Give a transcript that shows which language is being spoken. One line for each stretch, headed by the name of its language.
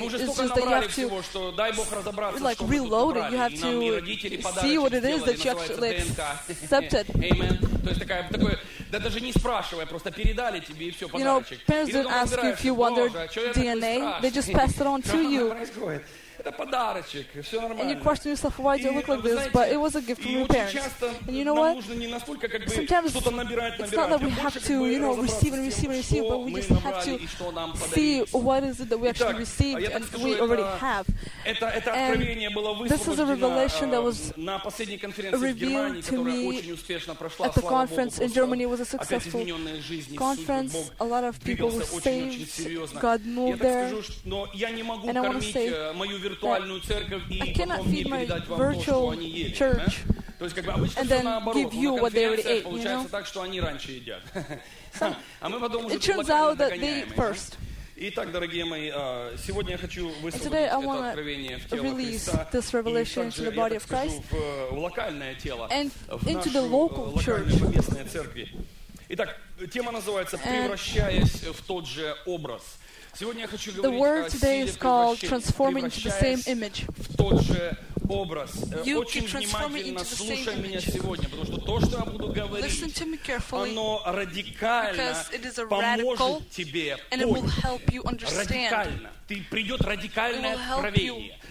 Russian: Мы уже столько набрали всего, что дай Бог разобраться, что мы тут набрали. Нам и родители подарили.
English: See what it is that you actually accepted. Amen.
Russian: То есть такая, такой, да даже не спрашивая, просто передали тебе и все, подарочек.
English: You know, parents didn't ask you if you wondered DNA. They just passed it on to you.
Russian: Это подарочек, все нормально.
English: And you question yourself, why do you look like this? But it was a gift from your parents. And you know what? Sometimes it's not that we have to, you know, receive and receive and receive, but we just have to see what is it that we actually received and we already have. And this is a revelation that was revealed to me at the conference in Germany. It was a successful conference. A lot of people were saved. God moved there. And I want to say, I cannot feed my virtual church and then give you what they already ate, you know? It turns out that they eat first.
Russian: Итак, дорогие мои, сегодня я хочу высвободить это откровение в тело Христа, и также я так скажу, в локальное тело, в нашу локальную местную церковь. Итак, тема называется «Превращаясь в тот же образ». Сегодня я хочу говорить о силе превращения.
English: The word today is called transforming into the same image.
Russian: В тот же образ. Очень внимательно слушай меня сегодня, потому что то, что я буду говорить, оно радикально поможет тебе понять. Радикально. Ты придет радикальное откровение.